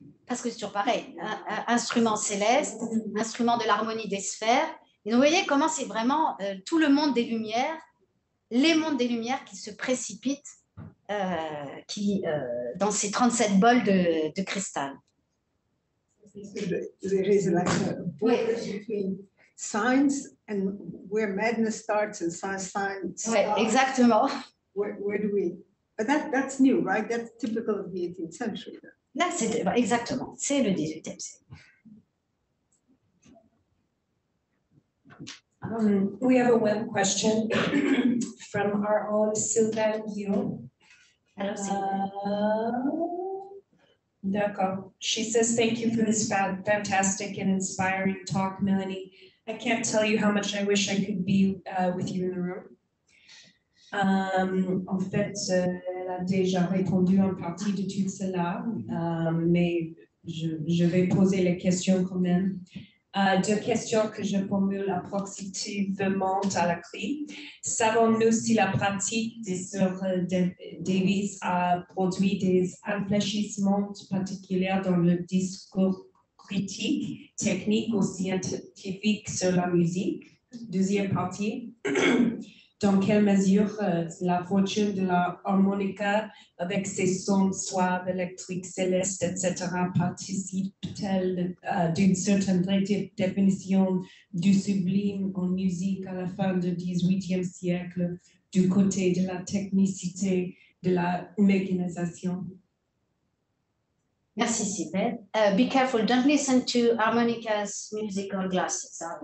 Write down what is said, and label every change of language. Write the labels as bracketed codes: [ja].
[fr] Parce que c'est toujours pareil, instrument céleste, instrument de l'harmonie des sphères. Et vous voyez comment c'est vraiment tout le monde des Lumières, les mondes des Lumières qui se précipitent dans ces 37 bols de cristal. [en] There is like a border between science and where madness starts and science starts. [fr] Oui, exactement. [en] Where do we... But that's new, right? That's typical of the 18th century. [fr] Là, c'est exactement, c'est le 18e siècle. [en] We have a web question from our own Sylvain Guillaume. Hello, [fr] d'accord. [en] She says, thank you for this fantastic and inspiring talk, Mélanie. I can't tell you how much I wish I could be with you in the room. [fr] En fait, elle a déjà répondu en partie de tout cela, mais je vais poser les questions quand même. Deux questions que je formule approximativement à la clé. Savons-nous si la pratique des sœurs Davies a produit des infléchissements particuliers dans le discours critique, technique ou scientifique sur la musique? Deuxième partie. Dans quelle mesure la fortune de la harmonica avec ses sons suaves, électriques, célestes, etc. participe-t-elle d'une certaine définition du sublime en musique à la fin du XVIIIe siècle du côté de la technicité de la mécanisation? Merci, Sylvain. [en] Be careful, don't listen to harmonica's musical glasses.